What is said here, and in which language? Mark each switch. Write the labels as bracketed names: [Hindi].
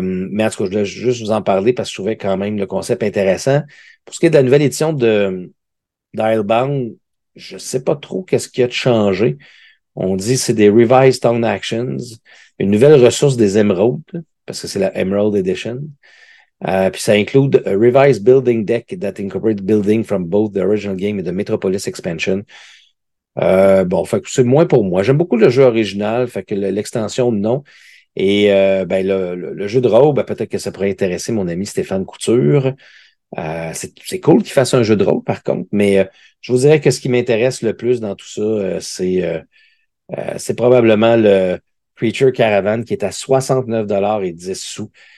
[French] Mais en tout cas, je voulais juste vous en parler parce que je trouvais quand même le concept intéressant. Pour ce qui est de la nouvelle édition de Islebound, je sais pas trop qu'est-ce qui a changé. On dit que c'est des Revised Town Actions, une nouvelle ressource des émeraudes, parce que c'est la Emerald Edition. Puis ça [English] include a Revised Building Deck that incorporates building from both the original game and the Metropolis Expansion. [French] Bon, fait que c'est moins pour moi. J'aime beaucoup le jeu original, fait que l'extension, non. Et le jeu de rôle, ben, peut-être que ça pourrait intéresser mon ami Stéphane Couture. C'est cool qu'il fasse un jeu de rôle, par contre, mais je vous dirais que ce qui m'intéresse le plus dans tout ça, c'est probablement le Creature Caravan qui est à 69,10$.